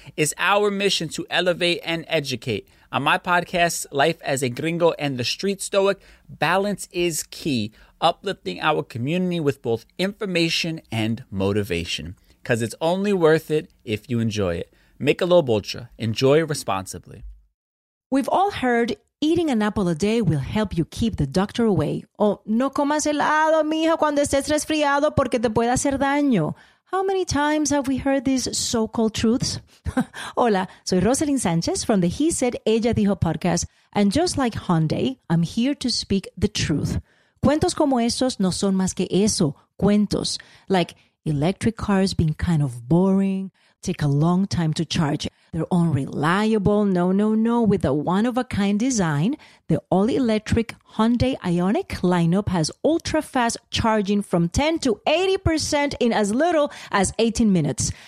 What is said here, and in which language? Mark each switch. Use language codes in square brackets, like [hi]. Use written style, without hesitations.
[en] It's our mission to elevate and educate. On my podcast, Life as a Gringo and the Street Stoic, balance is key, uplifting our community with both information and motivation. Because it's only worth it if you enjoy it. Michelob Ultra. Enjoy responsibly. We've all heard eating an apple a day will help you keep the doctor away. [es] Oh, no comas helado, mijo, cuando estés resfriado porque te puede hacer daño. [en] How many times have we heard these so-called truths? [es] Hola, soy [en] Rosalyn Sanchez from the He Said, Ella Dijo podcast. And just like Hyundai, I'm here to speak the truth. [es] Cuentos como esos no son más que eso, cuentos. [en] Like electric cars being kind of boring, take a long time to charge. They're unreliable. No. With a one-of-a-kind design, the all-electric Hyundai Ioniq lineup has ultra-fast charging from 10 to 80% in as little as 18 minutes.